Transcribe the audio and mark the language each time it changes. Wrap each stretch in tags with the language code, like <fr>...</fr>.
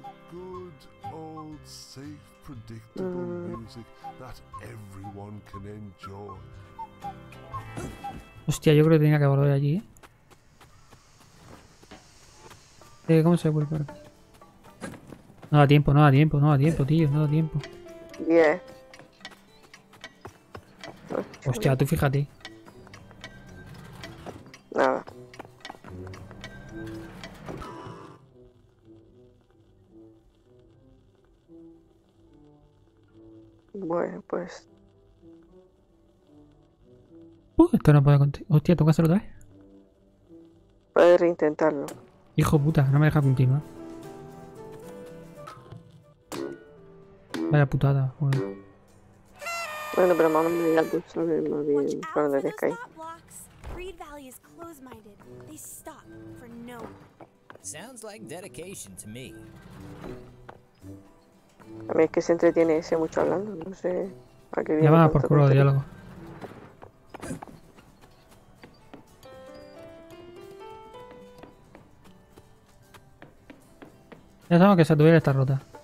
<en>Good old safe predictable music that everyone can enjoy.</en> <es>Hostia, yo creo que tenía que volver allí, ¿eh? ¿Cómo se vuelve por aquí? No da tiempo, tío, no da tiempo.</es> <en>Yeah.</en> <es>Hostia, tú fíjate. Nada. Bueno, pues... Esto no puede continuar. Hostia, ¿tengo que hacerlo otra vez? Puedes reintentarlo. Hijo puta, no me deja continuar. Vaya putada, joder. Bueno, pero vamos a mirar el bus, a ver, más bien, para donde te caí.</es> <en>Reed Valley is close-minded. They stop for no one. Sounds like dedication to me.</en> <es>A mí es que se entretiene ese mucho hablando, no sé a qué viene. Ya va, por culo de diálogo. Ya sabemos que esa tubería está rota.</es>